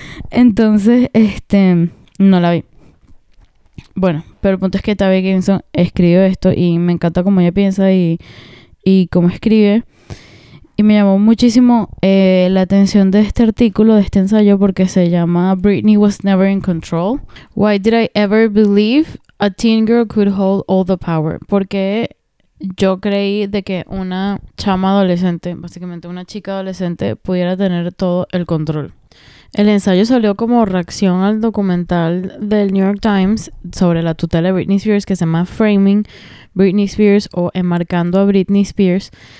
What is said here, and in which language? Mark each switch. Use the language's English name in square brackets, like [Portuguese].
[Spanish] Entonces, no la vi. Bueno, pero el punto es que Tavi Gevinson escribió esto y me encanta cómo ella piensa y cómo escribe. Y me llamó muchísimo la atención de este artículo, de este ensayo, porque se llama Britney Was Never in Control. [English] Why did I ever believe a teen girl could hold all the power? [Spanish] Porque... yo creí de que una chama adolescente, básicamente una chica adolescente, pudiera tener todo el control. El ensayo salió como reacción al documental del New York Times sobre la tutela de Britney Spears, que se llama Framing Britney Spears o Enmarcando a Britney Spears.